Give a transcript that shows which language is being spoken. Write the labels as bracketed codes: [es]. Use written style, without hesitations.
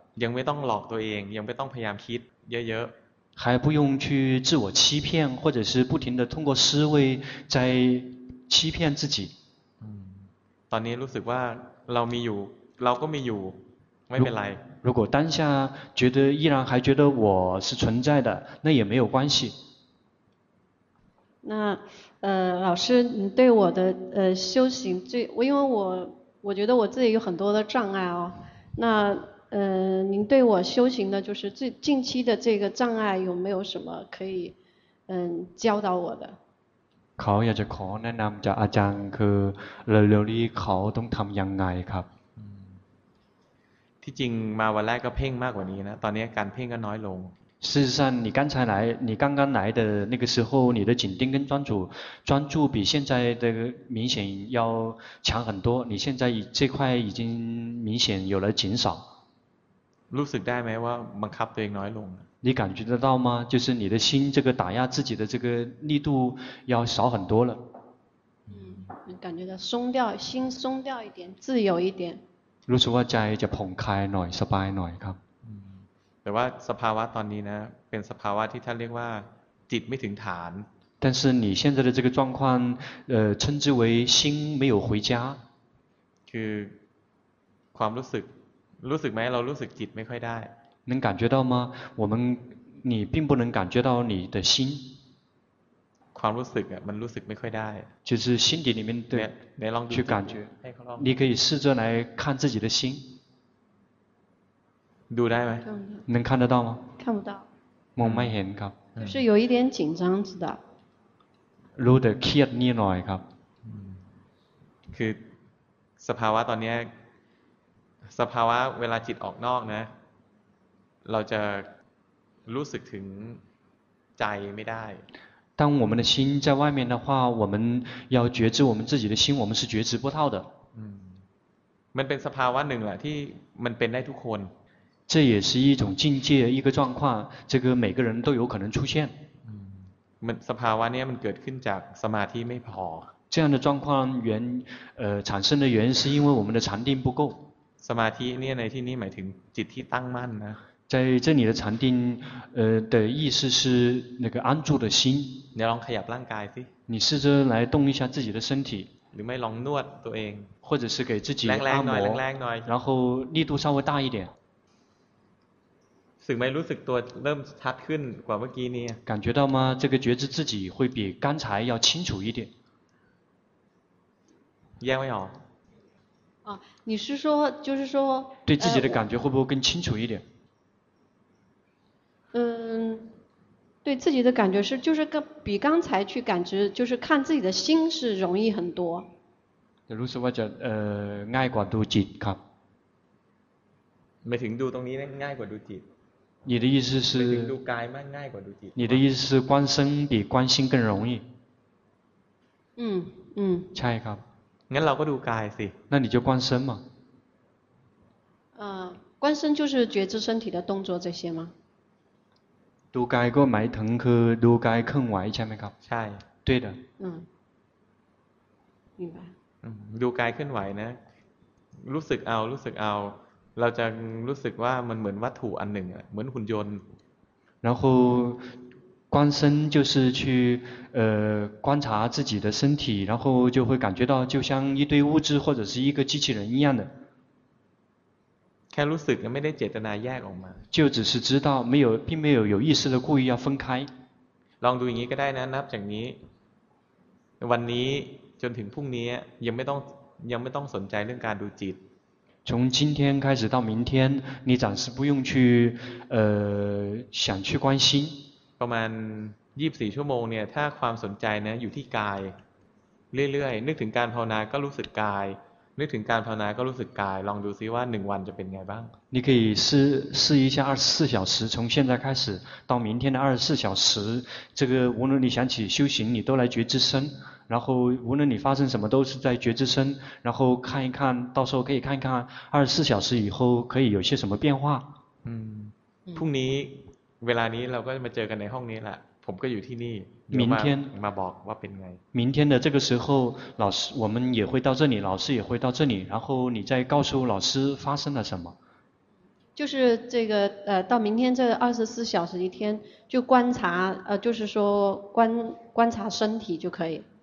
[th] ยังไม่ต้องหลอกตัวเองยังไม่ต้องพยายามคิดเยอะ [zh] ๆ还不用去自我欺骗或者是不停的通过思维在欺骗自己 [th] ตอนนี้รู้สึกว่าเรามีอยู่เราก็มีอยู่ [zh] 没没来。如果当下觉得依然还觉得我是存在的，那也没有关系。那老师，你对我的修行最，因为我觉得我自己有很多的障碍哦。那您对我修行的，就是最近期的这个障碍，有没有什么可以教导我的？ [th] เขาอยากจะขอแนะนำจากอาจารย์คือเร็วๆนี้เขาต้องทำยังไงครับ ที่จริงมาวันแรกก็เพ่งมากกว่านี้นะตอนนี้การเพ่งก็น้อยลง [zh] 事实上你刚才来你刚刚来的那个时候你的紧盯跟专注比现在的明显要强很多你现在这块已经明显有了减少 [th] รู้สึกได้ไหมว่าบังคับตัวเองน้อยลง [zh] 你感觉得到吗？就是你的心这个打压自己的这个力度要少很多了。嗯，感觉到松掉，心松掉一点，自由一点。 [th] รู้สึกว่าใจจะผ่องคลายหน่อยสบายหน่อยครับ。 แต่ว่าสภาวะตอนนี้นะเป็นสภาวะที่ท่านเรียกว่าจิตไม่ถึงฐาน。 [zh] 但是你现在的这个状况，称之为心没有回家。 [th] คือความรู้สึกไหมเรารู้สึกจิตไม่ค่อยได้ [zh] 能感觉到吗？你并不能感觉到你的心。 ความรู้สึกอ่ะมันรู้สึกไม่ค่อยได้。就是心底里面的。没让去感觉。你可以试着来看自己的心。 [th] ดูได้ไ หม？ [zh] 能看得到吗？看不到。 [th] มองไม่เห็นครับ。 [zh] 就是有一点紧张，知道。 [th] รู้แต่เครียดนิดหน่อยครับ。 คือสภาวะตอนนี้สภาวะเวลาจิตออกนอกนะเราจะรู้สึกถึงใจไม่ได้ [zh] 当我们的心在外面的话我们要觉知我们自己的心我们是觉知不到的 [th] มันเป็นสภาวะหนึ่งแหละที่มันเป็นได้ทุกคน [zh] 这也是一种境界一个状况这个每个人都有可能出现 [th] มันสภาวะนี้มันเกิดขึ้นจากสมาธิไม่พอ [zh] 这样的状况产生的原因是因为我们的禅定不够 [th] สมาธิเนี่ยในที่นี้หมายถึงจิตที่ตั้งมั่นนะ [zh] 在这里的禅定的意思是那个安住的心你 [th] ลองขยับร่างกายสิ [zh] 你试着来动一下自己的身体 [th] หรือไม่ลองนวดตัวเอง [zh] 或者是给自己按摩 [th] แรงๆหน่อย [zh] 然后力度稍微大一点 [th] สึกไม่รู้สึกตัวเริ่มชัดขึ้นกว่าเมื่อกี้นี้ [zh] 感觉到吗这个觉知自己会比刚才要清楚一点 [th] แยกไม่ออก [zh] 你是说就是说对自己的感觉会不会更清楚一点对自己的感觉是就是比刚才去感知就是看自己的心是容易很多 [th] รู้สึกว่าจะง่ายกว่าดูจิตครับ ไม่ถึงดูตรงนี้ง่ายกว่าดูจิต [zh] 你的意思是 [th] ไม่ถึงดูกายมากง่ายกว่าดูจิต [zh] 你的意思是观身比观心更容易 [th] ใ ช่ครับ งั้นเราก็ดูกายสิ [zh] 那你就观身嘛观身就是觉知身体的动作这些吗 [th] ดูกายก็หมายถึงคือดูกายเคลื่อนไหวใช่ไหมครับ ใช่ [zh] 对的 [th] ดูกายเคลื่อนไหวนะรู้สึกเอาเราจะรู้สึกว่ามันเหมือนวัตถุอันหนึ่งเหมือนหุ่นยนต์ [zh] 然后观身就是去观察自己的身体然后就会感觉到就像一堆物质或者是一个机器人一样的 [th] แค่รู้สึกไม่ได้เจตนาแยกออกมา [zh] 就只是知道没有并没有有意识的故意要分开 [th] ลองดูอย่างนี้ก็ได้นะนับจากนี้วันนี้จนถึงพรุ่งนี้ยังไม่ต้องสนใจเรื่องการดูจิต [zh] 从今天开始到明天你暂时不用去想去关心 [th] ประมาณ24ชั่วโมงเนี่ยถ้าความสนใจนะอยู่ที่กายเรื่อยๆนึกถึงการภาวนาก็รู้สึกกายนึกถึงการภาวนาก็รู้สึกกายลองดูซิว่า1วันจะเป็นไงบ้าง [zh] 你可以试一下24小时从现在开始到明天的24小时这个无论你想起修行你都来觉知身然后无论你发生什么都是在觉知身然后看一看到时候可以看一看24小时以后可以有些什么变化 [th] พรุ่งนี้เวลานี้เราก็จะมาเจอกันในห้องนี้แหละผมก็อยู่ที่นี่ [zh] 明天 [th] มาบอกว่าเป็นไง [zh] 明天的这个时候老师我们也会到这里老师也会到这里然后你再告诉老师发生了什么就是这个到明天这24小时一天就观察就是说观察身体就可以